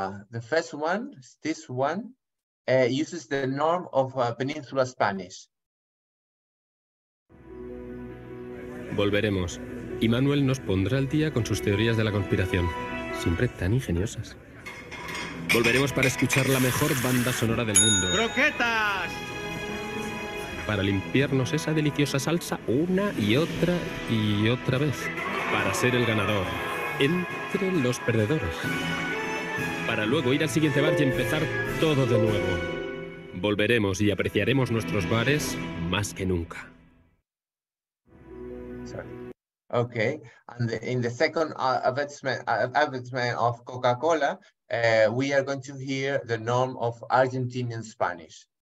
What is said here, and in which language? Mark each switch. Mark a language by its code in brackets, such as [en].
[en] The first one, this one, uses the norm of Peninsula Spanish. [es] Volveremos. Y Manuel nos pondrá al día con sus teorías de la conspiración. Siempre tan ingeniosas. Volveremos para escuchar la mejor banda sonora del mundo. ¡Croquetas! Para limpiarnos esa deliciosa salsa una y otra vez. Para ser el ganador entre los perdedores. Para luego ir al siguiente bar y empezar todo de nuevo. Volveremos y apreciaremos nuestros bares más que nunca. [en] Okay, and in the second advertisement of Coca-Cola, we are going to hear the norm of Argentinian Spanish.